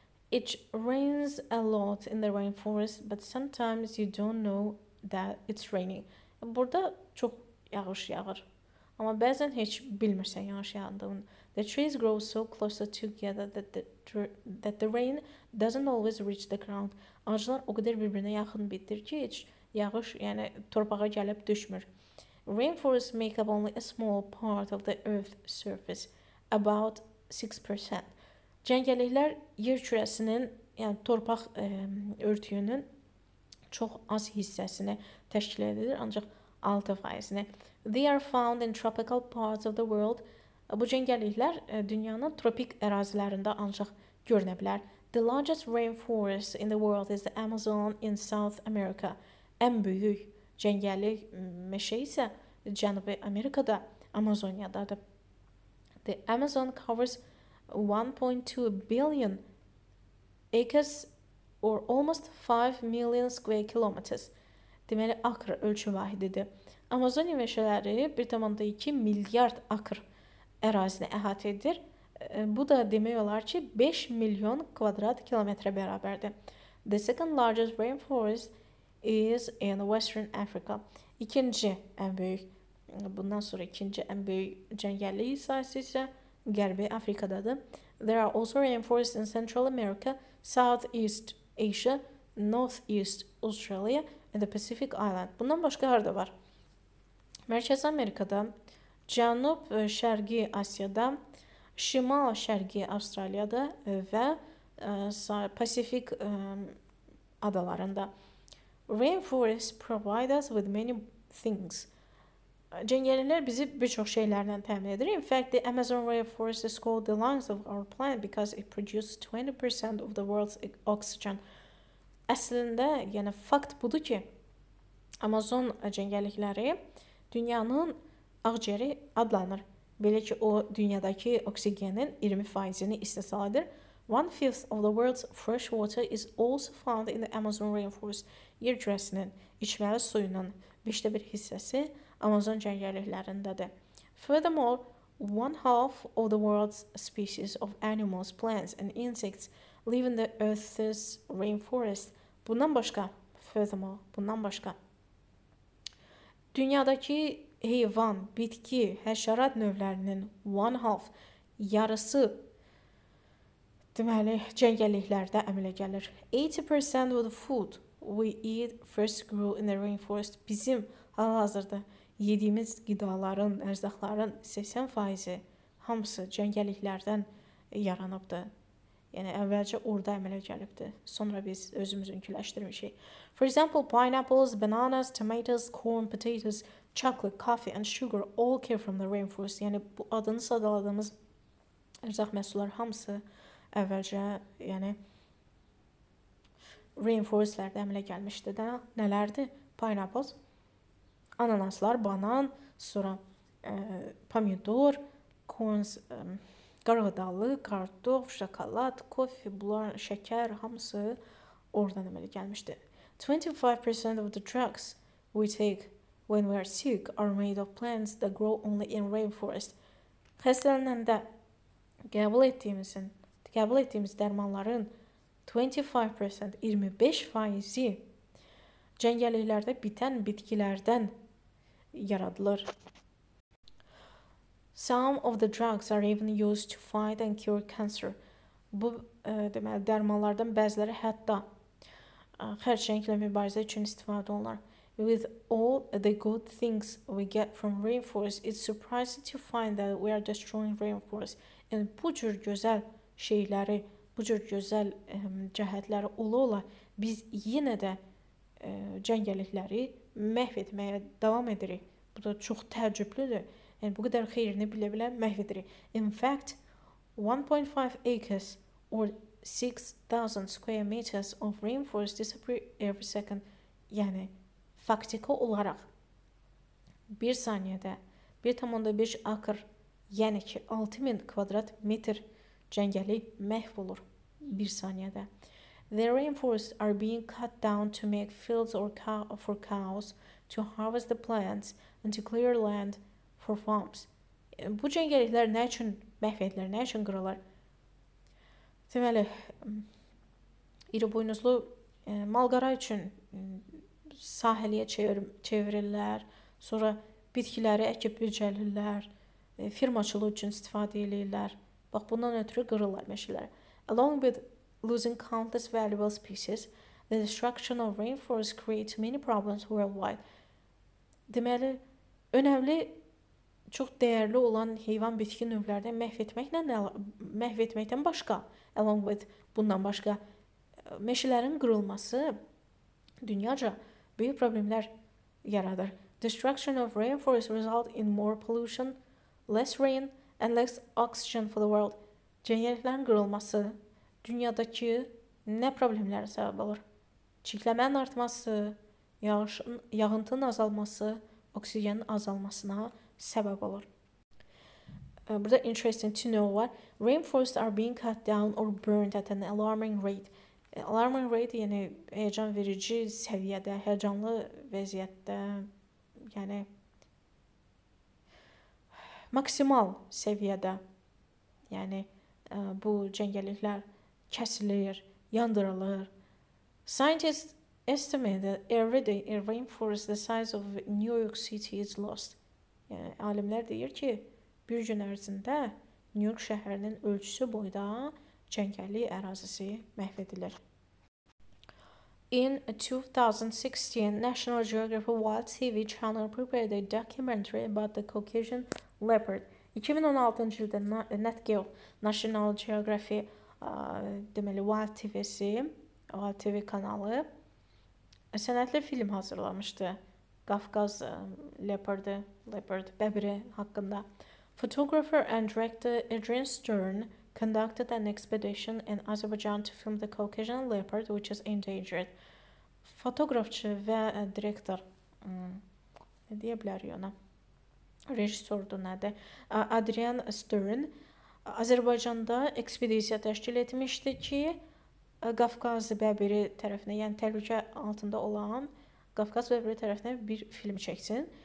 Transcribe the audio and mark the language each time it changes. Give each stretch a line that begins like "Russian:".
English: It rains a lot in the rainforest, but sometimes you don't know that it's raining.
Azerbaijani: Burada çok yağış yağır. Ama bazen hiç bilmirsən yağış yağdığını.
English: The trees grow so close together that the rain doesn't always reach the ground.
Azerbaijani: Ağaclar o kadar birbirine yakın bitir ki hiç yağış yani torpağa gelip düşmür.
English: Rainforests make up only a small part of the earth's surface, about 6%.
Azerbaijani: Cəngəllikler yer kürəsinin yani torpaq örtüyünün çox az hissəsini təşkil edir, ancaq 6%-ni.
English: They are found in tropical parts of the world.
Azerbaijani: Bu cəngəllikler dünyanın tropik ərazilərində ancaq görünə bilər.
English: The largest rainforest in the world is the Amazon in South America.
Azerbaijani: Ən büyük cəngəllik meşə isə Cənubi Amerika'da, Amazonya'dadır.
English: The Amazon covers 1.2 billion acres or almost 5 million square kilometers.
Azerbaijani: Deməli, akr ölçü vahididir. Amazon meşələri 1,2 milyard akr ərazini əhatə edir. Bu da demək olar ki 5 milyon kvadrat kilometre bərabərdir.
English: The second largest rainforest is in Western Africa.
Azerbaijani: İkinci ən böyük, bundan sonra ikinci ən böyük cəngəllik sahəsi isə Qərbi Afrikadadır.
English: There are also rainforests in Central America, Southeast Asia, Northeast Australia and the Pacific Island.
Azerbaijani: Bundan başqa harada var? Mərkəzi Amerikada, Cənub Şərqi Asiyada, Şimal Şərqi Avstraliyada və Pasifik adalarında.
English: Rainforests provide us with many things.
Azerbaijani: Cəngəllikler bizi bir çox şeylerden təmin edir.
English: In fact, the Amazon rainforest is called the lungs of our planet because it produces 20% of the world's oxygen.
Azerbaijani: Əslində, yəni fakt budur ki, Amazon cəngəllikləri dünyanın ağciyəri adlanır. Belə ki, o dünyadakı oksigenin 20%-ni istehsal edir.
English: One-fifth of the world's fresh water is also found in the Amazon rainforest.
Azerbaijani: Yer kürəsinin içməli suyunun 1/5 hissəsi Amazon cəngəlliklərindədir.
English: Furthermore, one half of the world's species of animals, plants and insects live in the Earth's rainforest.
Azerbaijani: Bundan başqa, furthermore, bundan başqa. Dünyadakı heyvan, bitki, həşərat növlərinin
English: one half,
Azerbaijani: yarısı deməli, cəngəlliklərdə əmələ gəlir.
English: 80% of the food we eat first grew in the rainforest.
Azerbaijani: Bizim hal-hazırda yediyimiz qidaların, ərzaqların 80% hamısı cəngəlliklərdən yaranıbdır. Yəni, əvvəlcə orada əmələ gəlibdir. Sonra biz özümüzün küləşdirmişik.
English: For example, pineapples, bananas, tomatoes, corn, potatoes, chocolate, coffee and sugar all came from the rainforest.
Azerbaijani: Yəni, bu adını sadaladığımız ərzaq məhsulları hamısı əvvəlcə, yəni, rainforestlərdə əmələ gəlmişdi də. Nələrdir? Pineapples, ananaslar, banan, sonra pomidor, corns, qarğıdalı, kartof, şokolad, kofi, bunlar, şəkər, hamısı oradan əmələ gəlmişdi.
English: 25% of the drugs we take when we are sick are made of plants that grow only in rainforest.
Azerbaijani: Xəstələnəndə qəbul etdiyimiz dərmanların 25%, 25%-i cəngəlliklərdə bitən bitkilərdən yaradılır.
English: Some of the drugs are even used to fight and cure cancer.
Azerbaijani: Bu deməli dərmanlardan bəziləri hətta xərçənglə mübarizə üçün istifadə olunur.
English: With all the good things we get from rainforest, it's surprising to find that we are destroying rainforest.
Azerbaijani: Yəni, bu cür gözəl şeyləri, bu cür gözəl cəhətləri ola-ola biz yenə də cəngəllikləri məhv etməyə davam edirik. Bu da çox təəccüblüdür. Yəni, bu qədər xeyrini bilə-bilə məhv edirik.
English: In fact, 1.5 acres or 6,000 square meters of rainforest disappear every second.
Azerbaijani: Yəni, faktiki olaraq bir saniyədə 1.5 akır, yəni ki 6000 kvadrat metr cəngəli məhv olur bir saniyədə.
English: The rainforests are being cut down to make fields for cows, to harvest the plants and to clear land for farms.
Azerbaijani: Bu cəngəliklər nə üçün məhv edilir, nə üçün qırılır? Deməli, iri buynuzlu malqara üçün sahəliyə çevirirlər, sonra bitkiləri əkib bücəlirlər, firmaçılıq üçün istifadə edirlər. Bax, bundan ötürü qırırlar meşələr.
English: Along with losing countless valuable species, the destruction of rainforest creates many problems worldwide.
Azerbaijani: Deməli, önəmli, çox dəyərli olan heyvan bitki növlərdən məhv etməkdən başqa,
English: along with
Azerbaijani: bundan başqa, meşələrin qırılması dünyaca böyük problemlər yaradır.
English: Destruction of rainforest results in more pollution, less rain and less oxygen for the world.
Azerbaijani: Cəngəlliklərin qırılması dünyadakı nə problemlərə səbəb olur? Çirklənmənin artması, yağıntının azalması, oksigenin azalmasına səbəb olur. Burada
English: interesting to know
Azerbaijani: var.
English: Rainforests are being cut down or burned at an alarming rate. Alarming rate,
Azerbaijani: yəni həyəcan verici səviyyədə, həyəcanlı vəziyyətdə, yəni maksimal səviyyədə, yəni bu cəngəlliklər kəsilir, yandırılır.
English: Scientists estimate that every day a rainforest the size of New York City is lost.
Azerbaijani: Yəni, alimlər deyir ki, bir gün ərzində New York şəhərinin ölçüsü boyda cəngəllik ərazisi məhv edilir.
English: In 2016, National Geographic Wild TV channel prepared a documentary about the Caucasian leopard.
Azerbaijani: 2016-cı ildə NatGeo National Geographic deməli Wild TV-si, Wild TV kanalı sənədli film hazırlamışdı. Qafqaz leopard bəbiri haqqında.
English: Photographer and director Adrian Stern conducted an expedition in Azerbaijan to film the Caucasian leopard, which is endangered.
Azerbaijani: Fotoqrafçı və direktor, nə deyə bilərik ona? Rejissordur, nədir? Adrian Stern Azərbaycanda ekspedisiya təşkil etmişdi ki, Qafqaz bəbiri tərəfinə, yəni təhlükə altında olan Qafqaz bəbiri tərəfinə bir film çəksin.